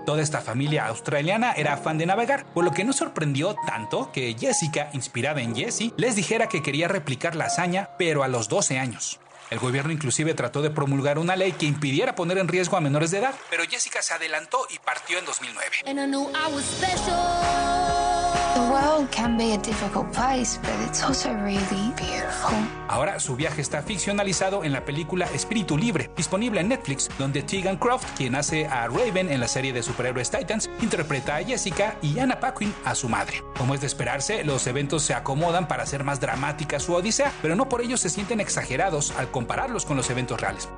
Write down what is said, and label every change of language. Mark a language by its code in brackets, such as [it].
[es] Toda esta familia australiana era fan de navegar, por lo que no sorprendió tanto que Jessica, inspirada en Jesse, les dijera que quería replicar la hazaña, pero a los 12 años. El gobierno inclusive trató de promulgar una ley que impidiera poner en riesgo a menores de edad. Pero Jessica se adelantó y partió en 2009. [en] The world can be a difficult place, but it's also really beautiful. [es] Ahora su viaje está ficcionalizado en la película Espíritu Libre, disponible en Netflix, donde Tegan Croft, quien hace a Raven en la serie de superhéroes Titans, interpreta a Jessica y Anna Paquin a su madre. Como es de esperarse, los eventos se acomodan para hacer más dramática su odisea, pero no por ello se sienten exagerados al compararlos con los eventos reales.